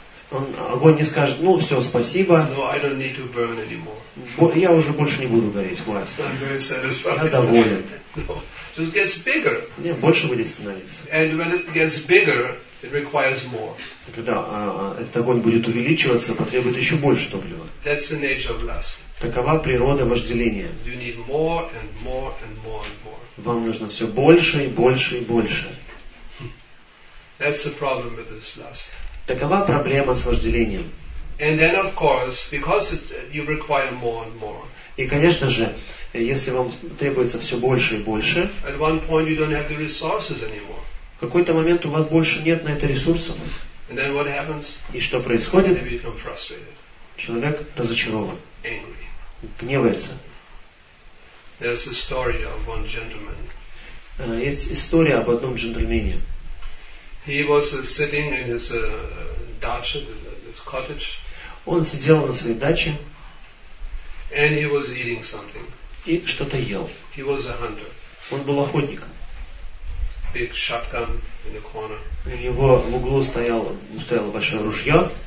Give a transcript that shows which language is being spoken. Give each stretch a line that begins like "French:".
Russian: Огонь не скажет, ну все, спасибо.
English: No, I don't need to burn anymore.
Russian: Я уже больше не буду гореть, хватит.
English: I'm very satisfied.
Russian: Я доволен.
English: No, just gets bigger.
Russian: Не, больше будет становиться.
English: And when it gets bigger, it requires more.
Russian: Когда этот огонь будет увеличиваться, потребует еще больше топлива.
English: That's the nature of lust.
Russian: Такова природа вожделения.
English: You need more and more and more and more.
Russian: Вам нужно все больше и больше и больше.
English: That's the problem with this lust.
Russian: Такова проблема с вожделением.
English: And then, of course, because you require more and more.
Russian: И, конечно же, если вам требуется все больше и больше,
English: at one point you don't have the resources anymore.
Russian: В какой-то момент у вас больше нет на это ресурсов.
English: And then what happens?
Russian: И что происходит?
English: You become frustrated.
Russian: Человек разочарован.
English: Angry.
Russian: Гневается.
English: There's a story of one gentleman.
Russian: Есть история об одном джентльмене.
English: He was sitting in his dacha, his cottage.
Russian: Он сидел на своей даче.
English: And he was eating something.
Russian: И что-то ел.
English: He was a hunter.
Russian: Он был охотником.
English: Big shotgun in the corner.
Russian: У него в углу стояло большое ружье.